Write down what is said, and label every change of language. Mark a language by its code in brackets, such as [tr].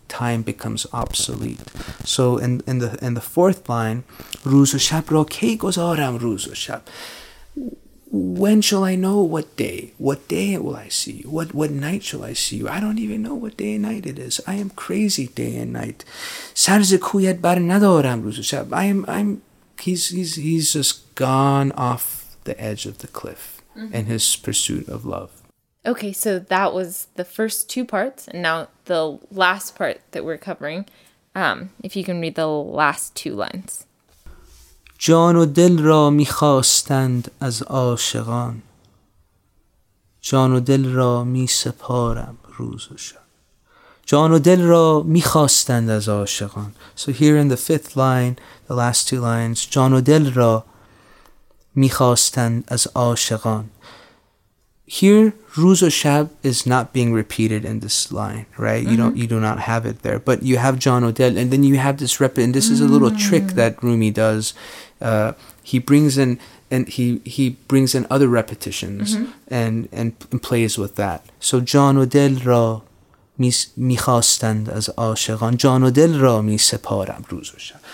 [en] Time becomes obsolete. So in the fourth line, [fa] روز و شب را کی گذارم روز و شب. [en] When shall I know what day? What day will I see you? What night shall I see you? I don't even know what day and night it is. I am crazy day and night. [fa] سرز کویت بر ندارم روز و شب. [en] He's just gone off the edge of the cliff mm-hmm. in his pursuit of love. Okay, so that was the first two parts, and now the last part that we're covering, if you can read the last two lines. [fa] جان و دل را می‌خواستند از عاشقان. جان و دل را می‌سپارم روز و شب. جان و دل را می‌خواستند از عاشقان. [en] So here in the fifth line, the last two lines, [fa] جان و دل را می‌خواستند از عاشقان. [en] Here, [fa] روز و شب [en] is not being repeated in this line, right? Mm-hmm. You do not have it there. But you have [fa] جان و دل, [en] and then you have this and this mm-hmm. is a little trick that Rumi does. He brings in other repetitions mm-hmm. and plays with that. So [fa] جان و دل را میخواستند از عاشقان جان و دل را می سپارم روز و شب.